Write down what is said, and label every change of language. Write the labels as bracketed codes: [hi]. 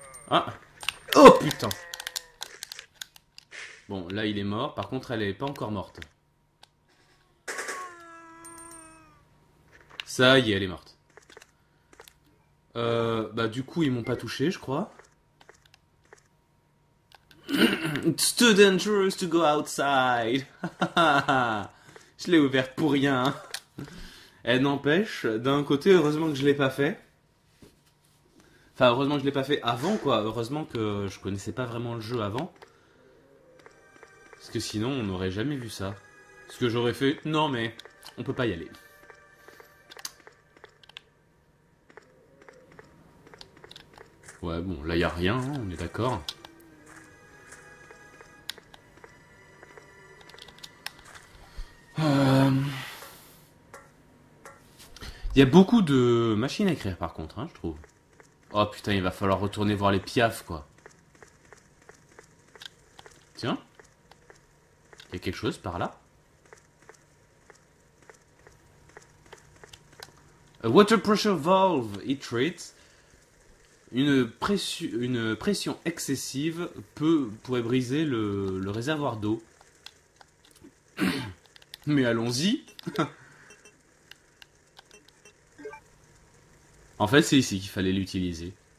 [fr] Ah! Oh putain! Bon, là, il est mort. Par contre, elle est pas encore morte. Ça y est, elle est morte. Bah, du coup, ils m'ont pas touché, je crois. [en] Too dangerous to go outside! [fr] Je l'ai ouverte pour rien! Elle n'empêche, d'un côté, heureusement que je l'ai pas fait. Enfin, heureusement que je l'ai pas fait avant, quoi. Heureusement que je connaissais pas vraiment le jeu avant. Parce que sinon, on n'aurait jamais vu ça. Ce que j'aurais fait, non, mais on peut pas y aller. Ouais, bon, là, y a rien, hein, on est d'accord. Il y a beaucoup de machines à écrire par contre, hein, je trouve. Oh putain, il va falloir retourner voir les piafs, quoi. Tiens. Il y a quelque chose par là. [en] A water pressure valve, it treats. [fr] Une pression excessive pourrait briser le réservoir d'eau. Mais allons-y. En fait, c'est ici qu'il fallait l'utiliser.